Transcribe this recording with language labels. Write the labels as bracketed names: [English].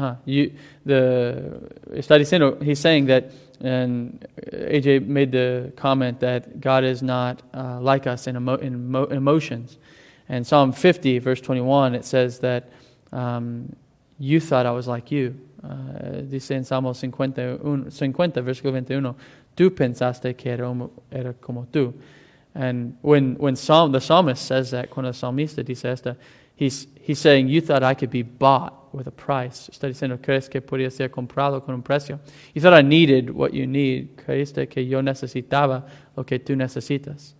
[English] He's saying that, and AJ made the comment that God is not like us in emotions. And Psalm 50, verse 21, it says that you thought I was like you. [Spanish] Dice en Salmo 50, versículo 21, tú pensaste que era como tú. [English] And the psalmist says that, [Spanish] cuando el salmista dice esto, [English] he's saying you thought I could be bought with a price. [Spanish] Está diciendo, ¿crees que podría ser comprado con un precio? [English] You thought I needed what you need. [Spanish] ¿Creíste que yo necesitaba lo que tú necesitas?